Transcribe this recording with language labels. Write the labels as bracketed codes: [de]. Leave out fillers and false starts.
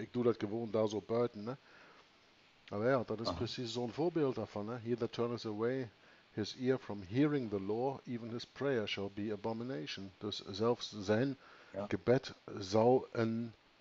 [nl] Ik doe dat gewoon daar zo buiten. Hè. Nou ja, dat is precies zo'n voorbeeld daarvan. Hè. [en] Here that turneth away his ear from hearing the law, even his prayer shall be abomination. [nl] Dus zelfs zijn gebed zal een...